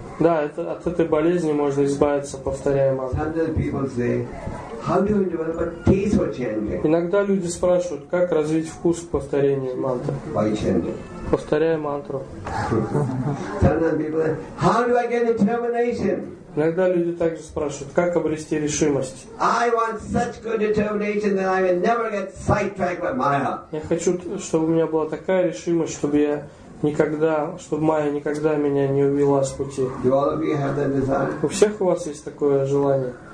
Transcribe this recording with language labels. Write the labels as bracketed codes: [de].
[ru] Да, это, от этой болезни можно избавиться, повторяя мантру. [en] Sometimes people say, how do you develop a taste for chanting? [ru] Иногда люди спрашивают, как развить вкус к повторению мантры. [en] By chanting. [ru] Повторяя мантру. [en] Sometimes people say, how do I get the termination? [ru] Иногда люди также спрашивают, как обрести решимость. [en] I want such good determination that I will never get sidetracked by Maya. [ru] Я хочу, чтобы у меня была такая решимость, чтобы я никогда, чтобы Майя никогда меня не увела с пути. [en] Do all of you have that desire? [ru] У всех у вас есть такое желание?